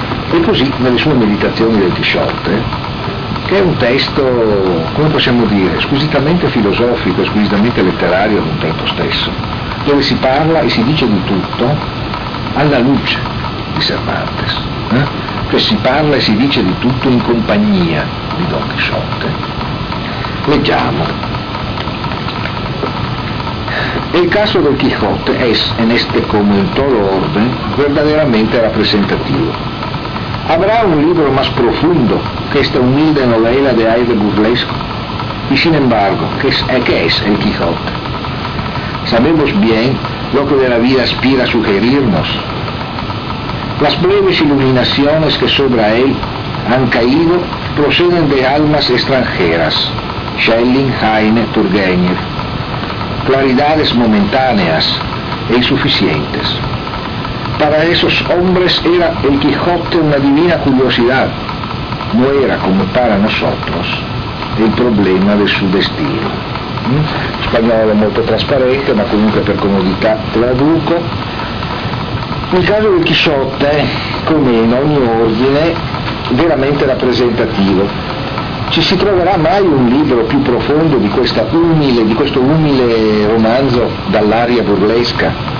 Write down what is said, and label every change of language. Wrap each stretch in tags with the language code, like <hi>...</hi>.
<it>E così nelle sue Meditazioni del Chisciotte, che è un testo, come possiamo dire, squisitamente filosofico e squisitamente letterario al tempo stesso, dove si parla e si dice di tutto alla luce di Cervantes, che si parla e si dice di tutto in compagnia di Don Chisciotte. Leggiamo.</it> <es>Il caso del Quijote es en este como en todo orden verdaderamente rappresentativo. Habrá un libro más profundo que esta humilde novela de aire burlesco, y sin embargo, ¿qué es el Quijote? Sabemos bien lo que de la vida aspira a sugerirnos. Las breves iluminaciones que sobre él han caído proceden de almas extranjeras, Schelling, Heine, Turgenev, claridades momentáneas e insuficientes. Para esos hombres era el Quijote una divina curiosidad, no era como para nosotros el problema del su destino.</es> <it>Spagnolo molto trasparente, ma comunque per comodità traduco. Il caso del Chisciotte, come in ogni ordine, veramente rappresentativo. Ci si troverà mai un libro più profondo di questa umile, di questo umile romanzo dall'aria burlesca?</it>